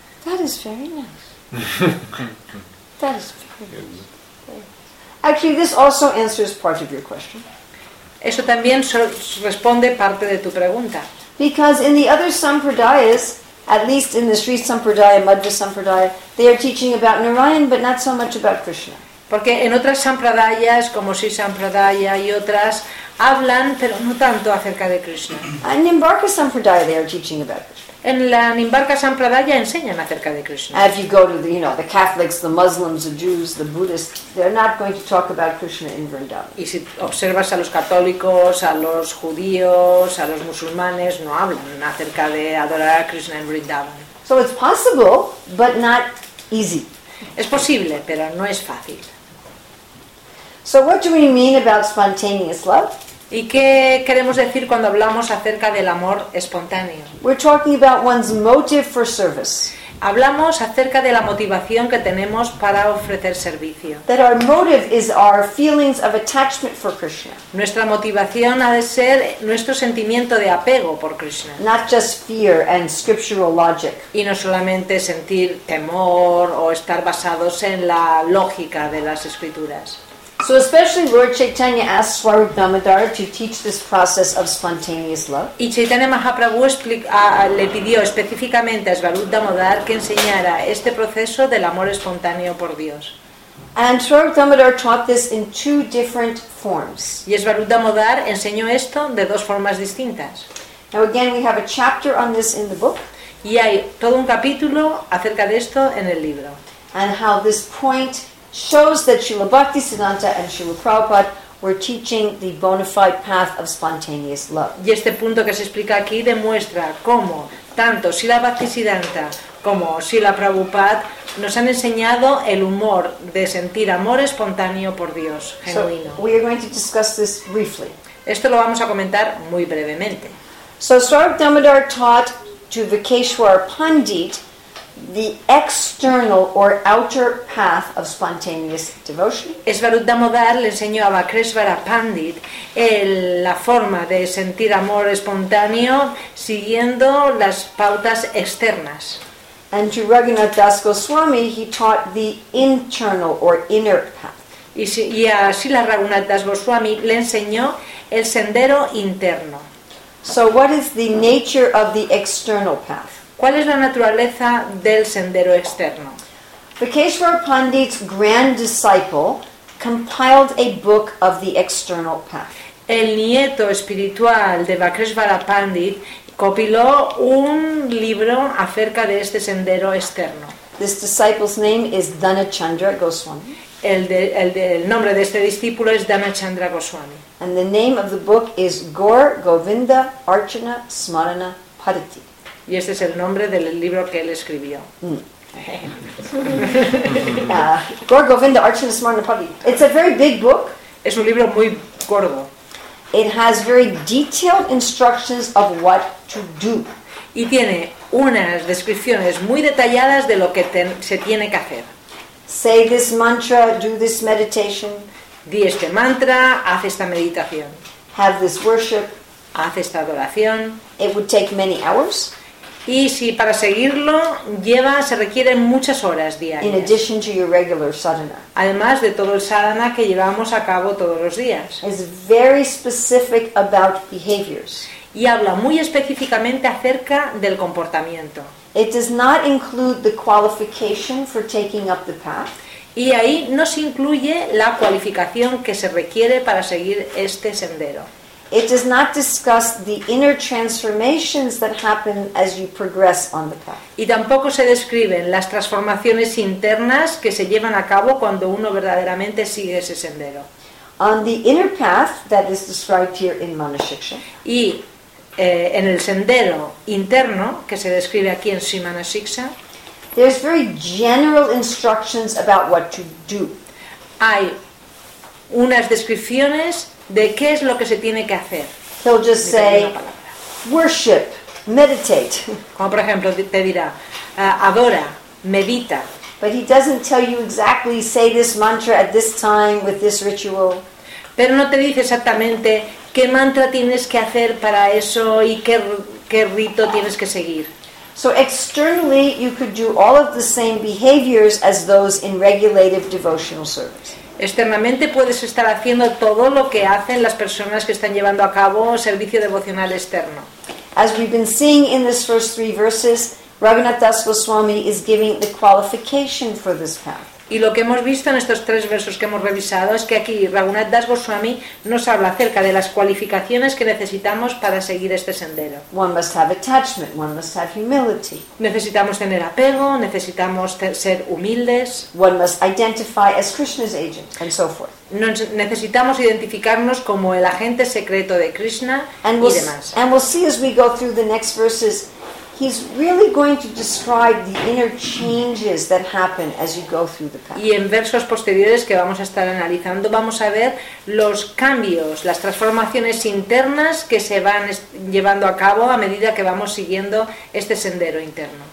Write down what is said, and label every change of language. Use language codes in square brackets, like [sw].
[en] That is very nice. That is very nice. Actually, this also answers part of your question. [es] Eso también responde parte de tu pregunta. [en] Because in the other sampradayas, at least in the Sri Sampradaya, Madhva Sampradaya, they are teaching about Narayana, but not so much about Krishna. [es] Porque en otras sampradayas, como Sri Sampradaya y otras, hablan, pero no tanto acerca de Krishna. [en] In Nimbarka Sampradaya, they are teaching about Krishna. [es] En la Nimbarka Sampradaya enseñan acerca de Krishna. [en] If you go to the, you know, the Catholics, the Muslims, the Jews, the Buddhists, they're not going to talk about Krishna in Vrindavan. [es] Y si observas a los católicos, a los judíos, a los musulmanes, no hablan acerca de adorar a Krishna en Vrindavan. [en] So it's possible, but not easy. [es] Es posible, pero no es fácil. [en] So what do we mean about spontaneous love? [es] ¿Y qué queremos decir cuando hablamos acerca del amor espontáneo? [en] We're talking about one's motive for service. [es] Hablamos acerca de la motivación que tenemos para ofrecer servicio. [en] That our motive is our feelings of attachment for Krishna. [es] Nuestra motivación ha de ser nuestro sentimiento de apego por Krishna. [en] Not just fear and scriptural logic. [es] Y no solamente sentir temor o estar basados en la lógica de las escrituras. [en] So especially Lord Chaitanya asks Swarup Damodara to teach this process of spontaneous love. [es] Y Chaitanya Mahaprabhu le pidió específicamente a Swarup Damodara que enseñara este proceso del amor espontáneo por Dios. [en] And Swarup Damodara taught this in two different forms. [es] Y Swarup Damodara enseñó esto de dos formas distintas. [en] Now again we have a chapter on this in the book. [es] Y hay todo un capítulo acerca de esto en el libro. [en] And how this point shows that Srila Bhakti Siddhanta and Srila Prabhupada were teaching the bona fide path of spontaneous love. [es] Y este punto que se explica aquí demuestra cómo tanto Srila Bhakti Siddhanta como Srila Prabhupada nos han enseñado el humor de sentir amor espontáneo por Dios genuino. [en] So we are going to discuss this briefly. [es] Esto lo vamos a comentar muy brevemente. [en] So Swarup Damodara taught to Vikeshwar Pandit the external or outer path of spontaneous devotion. [es] Swarup Damodara le enseñó a Vakreshvara Pandit la forma de sentir amor espontáneo siguiendo las pautas externas. [en] And to Raghunath Das Goswami, he taught the internal or inner path. [es] Y a Srila Raghunath Das Goswami le enseñó el sendero interno. [en] So what is the nature of the external path? [es] ¿Cuál es la naturaleza del sendero externo? [en] Vikeshwar Pandit's grand disciple compiled a book of the external path. [es] El nieto espiritual de Vakreshvara Pandit compiló un libro acerca de este sendero externo. [en] This disciple's name is Dhanachandra Goswami. [es] El nombre de este discípulo es Dhanachandra Goswami. [en] And the name of the book is Gaur Govinda Archana Smarana Padati. [es] Y este es el nombre del libro que él escribió. [en] Gaur Govinda Archana Smarana Padati. It's a very big book. [es] Es un libro muy gordo. [en] It has very detailed instructions of what to do. [es] Y tiene unas descripciones muy detalladas de lo que se tiene que hacer. [en] Say this mantra, do this meditation. [es] Di este mantra, haz esta meditación. [en] Have this worship. [es] Haz esta adoración. [en] It would take many hours. [es] Y si para seguirlo se requieren muchas horas diarias. [en] In addition to your regular sadhana. [es] Además de todo el sadhana que llevamos a cabo todos los días. [en] It's very specific about behaviors. [es] Y habla muy específicamente acerca del comportamiento. [en] It does not include the qualification for taking up the path. [es] Y ahí no se incluye la cualificación que se requiere para seguir este sendero. [en] It does not discuss the inner transformations that happen as you progress on the path. [es] Y tampoco se describen las transformaciones internas que se llevan a cabo cuando uno verdaderamente sigue ese sendero. [en] On the inner path that is described here in Manashiksha. [es] Y en el sendero interno que se describe aquí en Srimanashiksha. [en] There's very general instructions about what to do. [es] Hay unas descripciones de qué es lo que se tiene que hacer. [en] He'll just say, worship, meditate. [es] Como por ejemplo, te dirá, adora, medita. [en] But he doesn't tell you exactly, say this mantra at this time with this ritual. [es] Pero no te dice exactamente qué mantra tienes que hacer para eso y qué rito tienes que seguir. [en] So externally, you could do all of the same behaviors as those in regulative devotional service. [es] Externamente puedes estar haciendo todo lo que hacen las personas que están llevando a cabo servicio devocional externo. [en] As we've been seeing in these first three verses, Raghunath Das Goswami is giving the qualification for this path. [es] Y lo que hemos visto en estos tres versos que hemos revisado es que aquí Raghunath Das Goswami nos habla acerca de las cualificaciones que necesitamos para seguir este sendero. [en] One must have attachment, one must have humility. [es] Necesitamos tener apego, necesitamos ser humildes. [en] One must identify as Krishna's agent, and so forth. [es] Necesitamos identificarnos como el agente secreto de Krishna [en] and [es] y demás. [en] And we'll see as we go through the next verses He's really going to describe the inner changes that happen as you go through the path. [es] Y en versos posteriores que vamos a estar analizando, vamos a ver los cambios, las transformaciones internas que se van llevando a cabo a medida que vamos siguiendo este sendero interno.